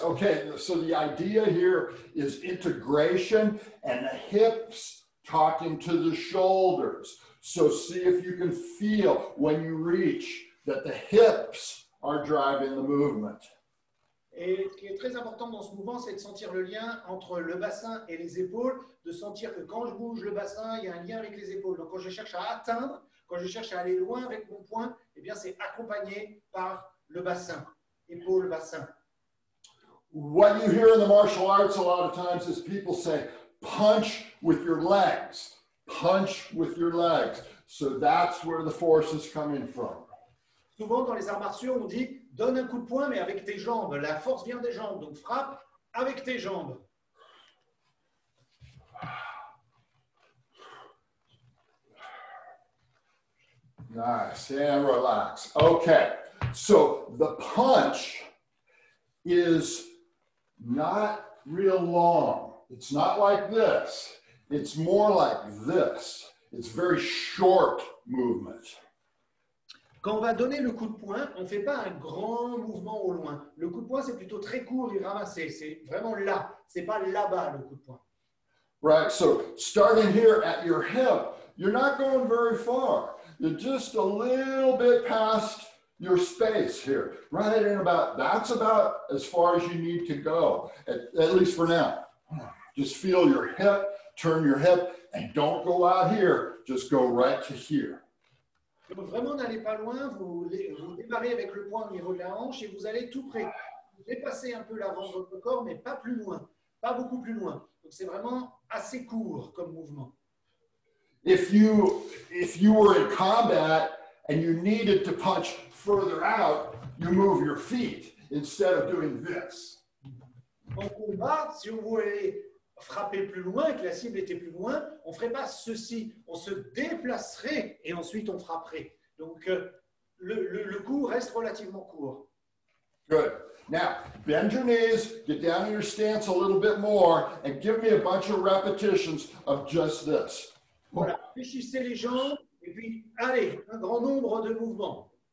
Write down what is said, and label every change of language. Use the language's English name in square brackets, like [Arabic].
[English] Okay, so the idea here is integration and the hips talking to the shoulders. So see if you can feel when you reach that the hips are driving the movement. [French] Et ce qui est très important dans ce mouvement, c'est de sentir le lien entre le bassin et les épaules, de sentir que quand je bouge le bassin, il y a un lien avec les épaules. Donc quand je cherche à atteindre, quand je cherche à aller loin avec mon poing, eh bien c'est accompagné par le bassin, épaule, bassin. [English] What you hear in the martial arts a lot of times is people say, punch with your legs, punch with your legs. So that's where the force is coming from. [French] Souvent dans les arts martiaux, on dit donne un coup de poing, mais avec tes jambes. La force vient des jambes, donc frappe avec tes jambes. [English] Nice, and relax. Okay, so the punch is not real long. It's not like this. It's more like this. It's very short movement. [French] Quand on va donner le coup de poing, on ne fait pas un grand mouvement au loin. Le coup de poing, c'est plutôt très court et ramassé. C'est vraiment là. Ce n'est pas là-bas, le coup de poing. [English] Right, so starting here at your hip, you're not going very far. You're just a little bit past your space here. Right in about, that's about as far as you need to go, at least for now. Just feel your hip, turn your hip, and don't go out here. Just go right to here. [French] Donc vraiment, n'allez pas loin, vous démarrez avec le poing au niveau de la hanche et vous allez tout près. Vous dépassez un peu l'avant de votre corps, mais pas plus loin, pas beaucoup plus loin. Donc c'est vraiment assez court comme mouvement. [English] If you were in combat and you needed to punch further out, you move your feet instead of doing this. [French] En combat, si on voulait frapper plus loin et que la cible était plus loin, on ne ferait pas ceci. On se déplacerait et ensuite on frapperait. Donc, le cours reste relativement court. [English] Good. Now, bend your knees, get down in your stance a little bit more, and give me a bunch of repetitions of just this. [French] Voilà, fléchissez les jambes, et puis, allez, un grand nombre de mouvements.